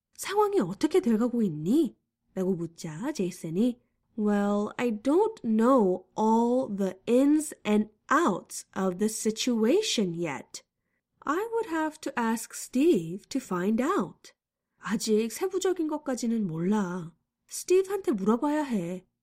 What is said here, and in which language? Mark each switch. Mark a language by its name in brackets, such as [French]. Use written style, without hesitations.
[Korean] 상황이 어떻게 돼가고 있니? 라고 묻자 제이슨이 [English] Well, I don't know all the ins and outs of the situation yet. I would have to ask Steve to find out. [Korean] 아직 세부적인 것까지는 몰라. 스티브한테 물어봐야 해.